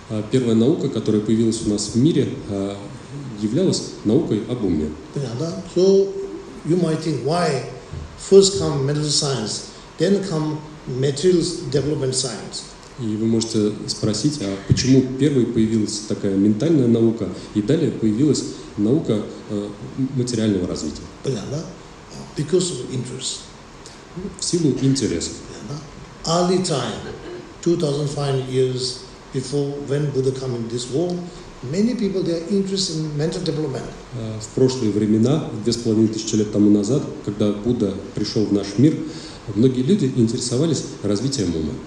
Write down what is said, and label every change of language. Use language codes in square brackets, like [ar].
[ru] Первая наука, которая появилась у нас в мире, являлась наукой об уме. [en] So you might think, why first come mental science, then come material development science? [ru] И вы можете спросить, а почему первой появилась такая ментальная наука, и далее появилась наука материального развития? Понятно? [en] Because of interest. [ru] В силу интереса. Понятно? [en] Early time, 2500 years before when Buddha came in this world, many people, they are interested in mental development. [ru] В прошлые времена, 2500 лет тому назад, когда Будда пришел в наш мир, многие люди интересовались развитием ума.